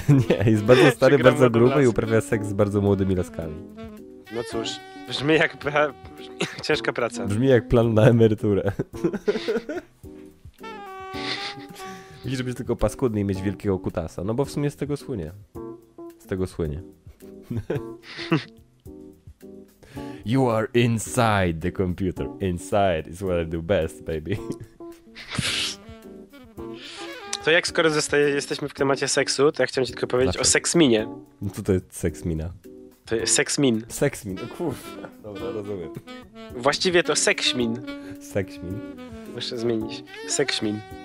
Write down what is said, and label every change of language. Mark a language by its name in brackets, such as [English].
[Polish] Nie, jest bardzo stary, bardzo gruby i uprawia seks z bardzo młodymi laskami. No cóż, brzmi jak ciężka praca. Brzmi jak plan na emeryturę. Musisz być tylko paskudny i mieć wielkiego kutasa. No bo w sumie z tego słynie. [English] You are inside the computer. Inside is what I do best, baby. [Polish] To jak skoro jesteśmy w temacie seksu, to ja chciałem ci tylko powiedzieć o seksminie. No co to jest seksmina? To jest Sexmin. Sexmin, kurwa, dobra, rozumiem. Właściwie to Sexmin. Sexmin. Muszę zmienić. Sexmin.